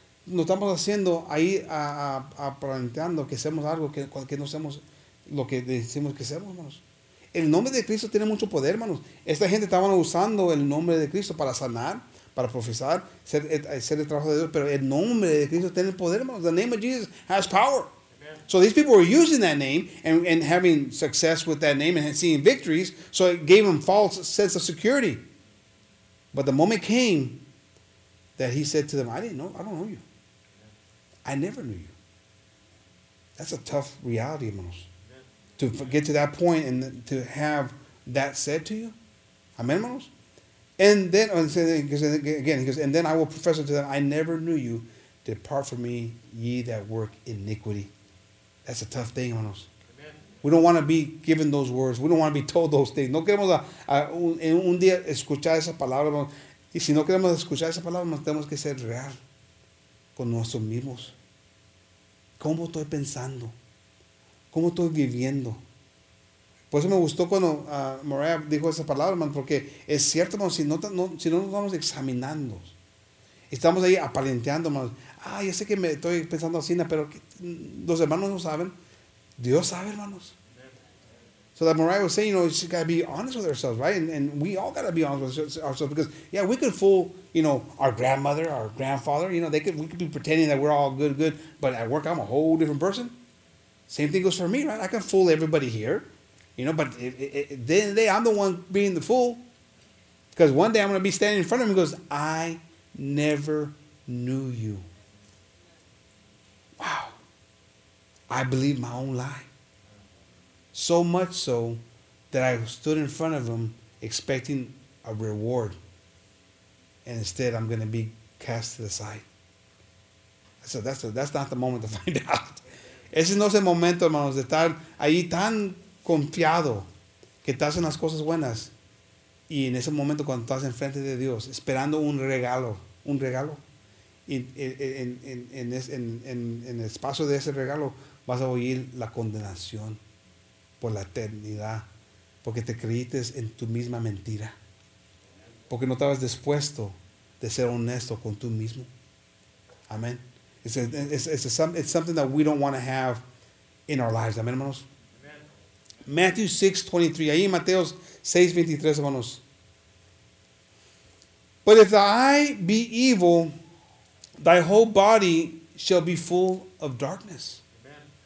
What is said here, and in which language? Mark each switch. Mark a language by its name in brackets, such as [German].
[Spanish] Nos estamos haciendo ahí aparentando que hacemos algo que no hacemos lo que decimos que hacemos, hermanos. El nombre de Cristo tiene mucho poder, hermanos. Esta gente estaba usando el nombre de Cristo para sanar, para profesar, hacer el trabajo de Dios. Pero el nombre de Cristo tiene poder, hermanos. [English] The name of Jesus has power. So these people were using that name and having success with that name and seeing victories. So it gave them false sense of security. But the moment came that he said to them, I don't know you. I never knew you. That's a tough reality, hermanos. To get to that point and to have that said to you. Amen, hermanos? And then I will profess unto them, I never knew you. Depart from me, ye that work iniquity. That's a tough thing, hermanos. We don't want to be given those words. We don't want to be told those things. [Spanish] No queremos un día escuchar esa palabra. Y si no queremos escuchar esa palabra, tenemos que ser real con nosotros mismos. ¿Cómo estoy pensando? ¿Cómo estoy viviendo? Por eso me gustó cuando Mariah dijo esa palabra, man, porque es cierto, man, si no nos vamos examinando. Estamos ahí aparenteando. Man. Ah, yo sé que me estoy pensando así, pero los hermanos no saben. Dios sabe, hermanos. [English] So that Mariah was saying, you know, she got to be honest with ourselves, right? And we all got to be honest with ourselves because, yeah, we could fool, you know, our grandmother, our grandfather. You know, we could be pretending that we're all good, good. But at work, I'm a whole different person. Same thing goes for me, right? I can fool everybody here, you know. But at the end of the day, I'm the one being the fool. Because one day I'm going to be standing in front of him and goes, I never knew you. Wow. I believe my own lie. So much so that I stood in front of him expecting a reward. And instead, I'm going to be cast to the side. I said, that's not the moment to find out. [Spanish] Ese no es el momento, hermanos, de estar ahí tan confiado que estás en las cosas buenas. Y en ese momento cuando estás enfrente de Dios, esperando un regalo, en el espacio de ese regalo vas a oír la condenación por la eternidad, porque te creíste en tu misma mentira, porque no estabas dispuesto de ser honesto con tú mismo. Amén. [English] It's something that we don't want to have in our lives. [Spanish] Amén, hermanos. Amen. Matthew 6:23. Ahí Mateo 6:23, hermanos. [English] But if the eye be evil, thy whole body shall be full of darkness. Amen.